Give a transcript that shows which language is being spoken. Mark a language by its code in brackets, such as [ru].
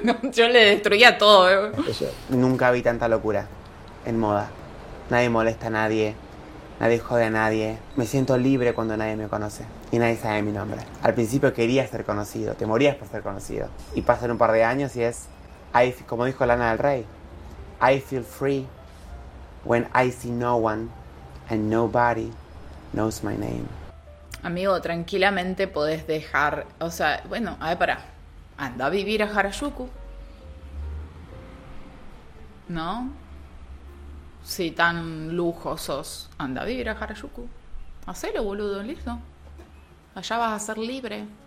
[es] Yo le destruía todo. Nunca vi tanta locura en moda. Nadie molesta a nadie. Nadie jode a nadie. Me siento libre cuando nadie me conoce. Y nadie sabe mi nombre. Al principio quería ser conocido. Te morías por ser conocido. Y pasan un par de años y es... como dijo Lana del Rey. [en] I feel free when I see no one. And nobody knows my name. [es] Amigo, tranquilamente podés dejar... O sea, bueno, a ver, pará. Anda a vivir a Harajuku. ¿No? Si tan lujosos, anda a vivir a Harajuku. Hacelo, boludo, listo. Allá vas a ser libre.